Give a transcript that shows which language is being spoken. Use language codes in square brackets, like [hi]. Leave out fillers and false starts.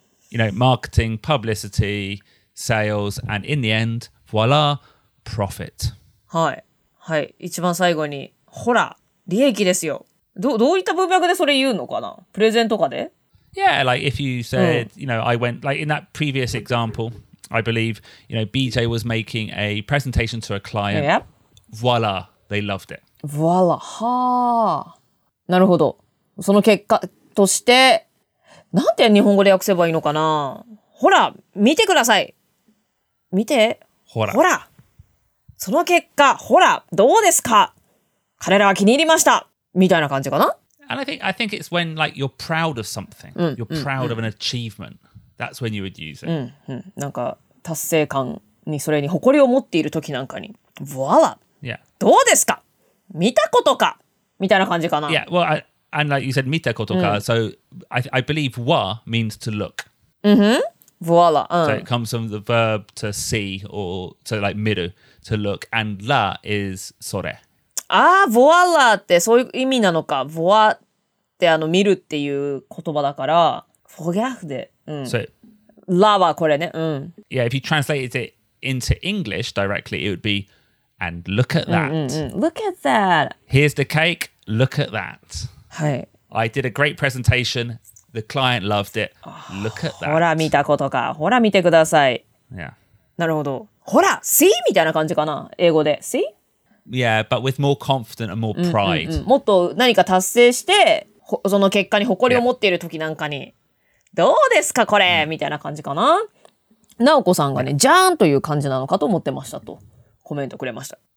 [en] you know marketing publicity sales and in the end voila profit [ja] はいはい一番最後にほら利益ですよどういった文脈でそれ言うのかなプレゼンとかで [en] Yeah, like if you said,、mm. you know, I went, like in that previous example, I believe, you know, BJ was making a presentation to a client、 yeah. voila, they loved it. [ja] Voila, ha. なるほど。その結果として、なんて日本語で訳せばいいのかな。ほら、見てください。見て。ほら。ほら。その結果、ほら、どうですか。彼らは気に入りました。みたいな感じかな。 [en] And I think it's when like you're proud of something,、うん、you're proud、うん、of an achievement. That's when you would use it.、 [ja] うんうん、なんか達成感にそれに誇りを持っている時なんかに、voila、 [en] yeah. [ja] どうですか。見たことかみたいな感じかな。 [en] Yeah, well, and like you said, [ja] 見たことか、 [en] うん、so I believe wa means to look. Mm-hmm. Voila.、うん、so it comes from the verb to see or to like 見る to look, and la is それ。 [ja] ああ、ヴォアラってそういう意味なのか。ヴォアってあの見るっていう言葉だから、フォギャフで、うん。 [en] So, [ja] ラはこれね、うん。 [en] Yeah, if you translated it into English directly, it would be, and look at that. うんうん、うん、look at that. Here's the cake, look at that. [ja] はい。 [en] I did a great presentation, the client loved it, look at that. [ja] ほら見たことか。ほら見てください。 [en] Yeah. [ja] なるほど。ほら、see? みたいな感じかな。英語で。see? [en] Yeah, but with more confidence and more pride. [ja] うんうん、うん、もっと何か達成して、その結果に誇りを持っている時なんかに、yeah. どうですかこれ、mm. みたいな感じかな。直子さんがね、じゃーんという感じなのかと思ってましたとコメントくれました。